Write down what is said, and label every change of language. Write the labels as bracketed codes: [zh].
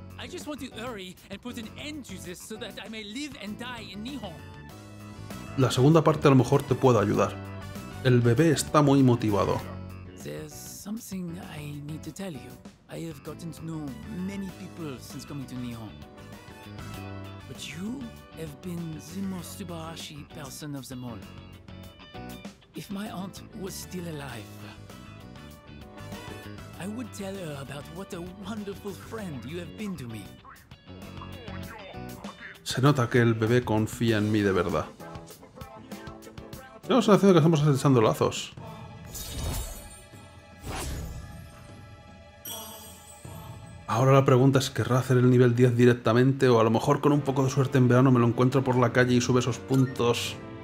[en] Just want to hurry and put an end to this so that I may live and die in Nihon. [es] La segunda parte a lo mejor te puedo ayudar. El bebé está muy motivado. [en] There's something I need to tell you. I have gotten to know many people since coming to Nihon. But you have been the most Tsubarashi person of them all. If my aunt was still alive, I would tell her about what a wonderful friend you have been to me. [es] Se nota que el bebé confía en mí de verdad. Tenemos la sensación de que estamos echando lazos. Ahora la pregunta es, ¿querrá hacer el nivel 10 directamente o a lo mejor con un poco de suerte en verano me lo encuentro por la calle y sube esos puntos?